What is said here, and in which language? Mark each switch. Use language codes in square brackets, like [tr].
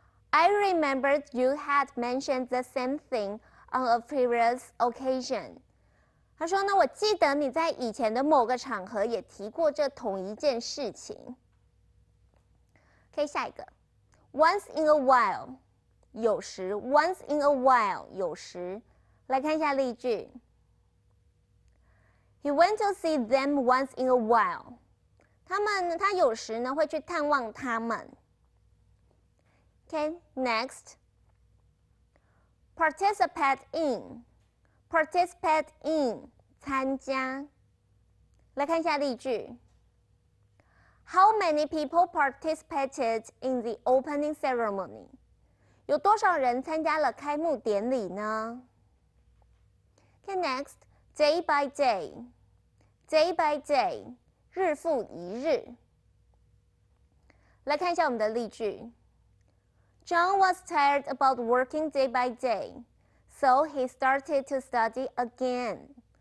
[en] I remembered you had mentioned the same thing on a previous occasion. [zh] 他说呢，我记得你在以前的某个场合也提过这同一件事情。 [en] OK, [zh] 下一个。 [en] Once in a while, 有时。 Once in a while, [zh] 有时。来看一下例句。 [en] He went to see them once in a while. [zh] 他有时呢会去探望他们。 [en] Okay, next, participate in, 参加。 [zh] 来看一下例句。 [en] How many people participated in the opening ceremony? [zh] 有多少人参加了开幕典礼呢？ [en] Okay, next, day by day, 日复一日。 [zh] 来看一下我们的例句。 [en] John was tired about working day by day, so he started to study again.